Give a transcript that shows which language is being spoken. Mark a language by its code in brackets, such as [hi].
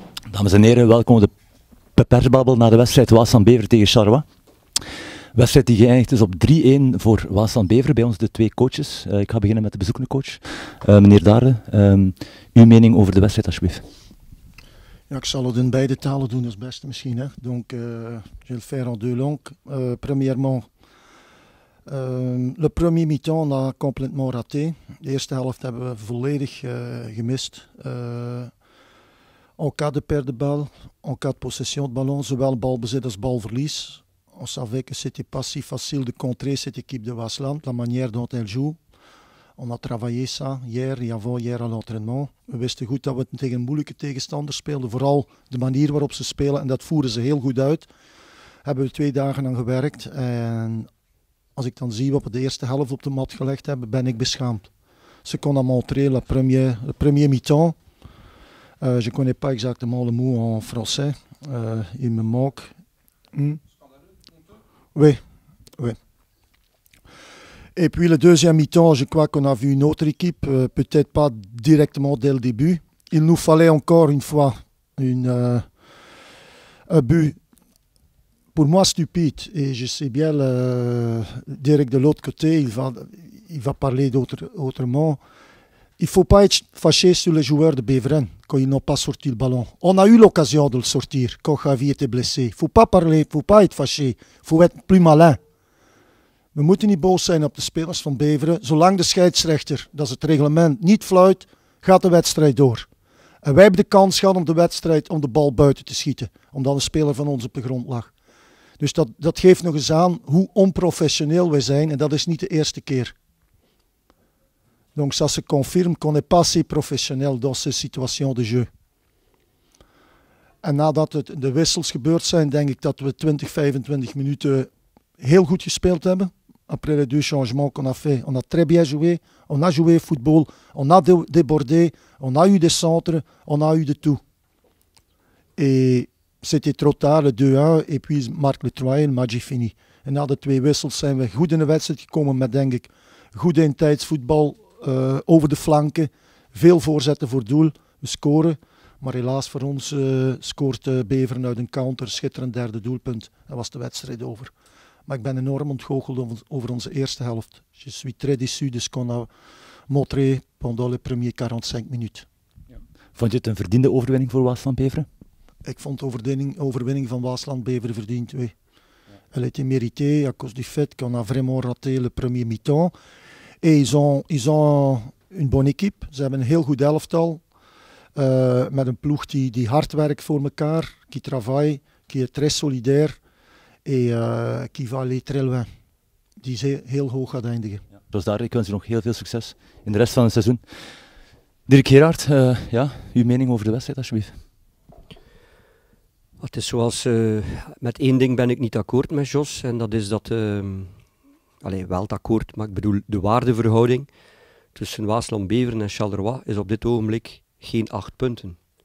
[nl] Dames en heren, welkom op de persbabbel na de wedstrijd Waasland-Bever tegen Charleroi. Wedstrijd die geëindigd is op 3-1 voor Waasland-Bever, bij ons de twee coaches. Ik ga beginnen met de bezoekende coach. Meneer Daarde, uw mening over de wedstrijd alsjeblieft. Ja, ik zal het in beide talen doen als beste misschien. Hè. [fr] Donc, je vais faire en deux langues. Premièrement, le premier mi-temps on a complètement raté. [nl] De eerste helft hebben we volledig gemist. [fr] En cas de perte de bal, en cas de possession de ballon, [nl] zowel balbezit als balverlies. [fr] On savait que c'était pas si facile de contrer cette équipe de Waasland, la manière dont elle joue. On a travaillé ça hier et avant-hier à l'entraînement. [nl] We wisten goed dat we tegen moeilijke tegenstanders speelden, vooral de manier waarop ze spelen. En dat voeren ze heel goed uit. Hebben we twee dagen aan gewerkt. En als ik dan zie wat we de eerste helft op de mat gelegd hebben, ben ik beschaamd. [fr] Ze kon à montrer le premier mi-temps. Je ne connais pas exactement le mot en français. Il me manque. Oui. Oui. Et puis le deuxième mi-temps, je crois qu'on a vu une autre équipe, peut-être pas directement dès le début. Il nous fallait encore une fois un but, pour moi, stupide. Et je sais bien, Derek de l'autre côté, il va parler autrement. Il ne faut pas être fâché sur les joueurs de Beveren quand ils n'ont pas sorti le ballon. On a eu l'occasion de le sortir quand Javi était blessé. Il ne faut pas parler, il ne faut pas être fâché. Il faut être plus malin. [nl] We moeten niet boos zijn op de spelers van Beveren. Zolang de scheidsrechter, dat is het reglement, niet fluit, gaat de wedstrijd door. En wij hebben de kans gehad om de wedstrijd om de bal buiten te schieten. Omdat een speler van ons op de grond lag. Dus dat geeft nog eens aan hoe onprofessioneel wij zijn. En dat is niet de eerste keer. [fr] Donc ça se confirme qu'on n'est pas si professionnel dans ces situations de jeu. [nl] En nadat de wissels gebeurd zijn, denk ik dat we 20, 25 minuten heel goed gespeeld hebben. [fr] Après les deux changements qu'on a fait, on a très bien joué. On a joué football, on a débordé, on a eu des centres, on a eu de tout. Et c'était trop tard, le 2-1, et puis Marc Le Troyen, le match est fini. [nl] En na de twee wissels zijn we goed in de wedstrijd gekomen met, denk ik, goed intijds voetbal. Over de flanken, veel voorzetten voor doel, we scoren. Maar helaas voor ons scoort Beveren uit een counter, schitterend derde doelpunt. Dat was de wedstrijd over. Maar ik ben enorm ontgoocheld over onze eerste helft. [fr] Je suis très déçu de ce qu'on a montré pendant les premiers 45 minutes. [nl] Ja. Vond je het een verdiende overwinning voor Waasland Beveren? Ik vond de overwinning van Waasland Beveren verdiend. [fr] Oui. Ja. Elle était méritée à cause du fait qu'on a vraiment raté le premier mi-temps. Et ils ont une bonne équipe. [nl] Ze hebben een heel goed elftal. Met een ploeg die hard werkt voor elkaar. [fr] Qui travaille, qui est très solidaire. Et qui va aller très loin. [nl] Die is heel hoog gaat eindigen. Ja. Dus daar, ik wens u nog heel veel succes in de rest van het seizoen. Dirk Gerard, uw mening over de wedstrijd, alsjeblieft. Het is zoals. Met één ding ben ik niet akkoord met Jos. En dat is dat. Allee, wel het akkoord, maar ik bedoel, de waardeverhouding tussen Waasland Beveren en Charleroi is op dit ogenblik geen 8 punten.